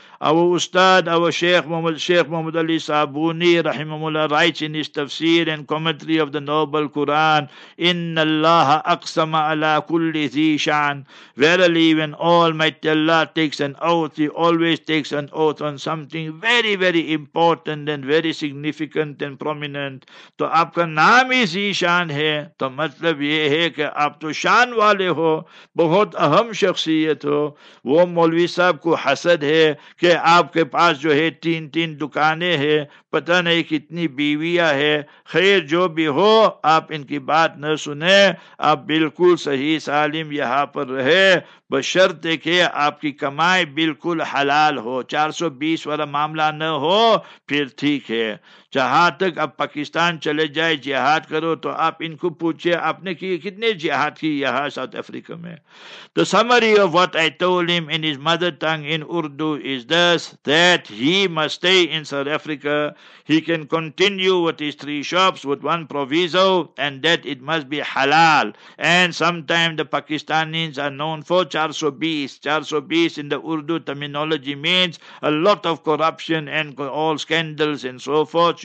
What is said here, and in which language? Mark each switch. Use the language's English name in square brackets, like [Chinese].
[English] Our Ustad, our Sheikh Muhammad Ali Sabuni, Rahimahullah, writes in his tafsir and commentary of the Noble Quran, [Arabic] Inna Allah aqsama ala kulli zi shan. [English] Verily, when Almighty Allah takes an oath, he always takes an oath on something very, very important and very significant and prominent. [Urdu] To aapka naam hi zi shan hai, to matlab ye hai ke aap to shan wale ho, bahut aham shakhsiyat ho, wo Maulvi sahab ko hasad hai, کہ آپ کے پاس جو ہے تین تین دکانیں ہیں پتہ نہیں کتنی بیویاں ہیں خیر جو بھی ہو آپ ان کی بات نہ سنیں آپ بالکل صحیح سالم یہاں پر رہے بشرط کہ آپ کی کمائی بالکل حلال ہو 420 والا معاملہ نہ ہو پھر ٹھیک ہے جہاں تک آپ پاکستان چلے جائے جہاد کرو تو آپ ان کو پوچھیں آپ نے کتنے جہاد کی یہاں ساؤتھ افریقہ میں [English] The summary of what I told him in his mother tongue in Urdu is this, that he must stay in South Africa. He can continue with his three shops with one proviso, and that it must be halal. And sometimes the Pakistanis are known for 420. 420 in the Urdu terminology means a lot of corruption and all scandals and so forth.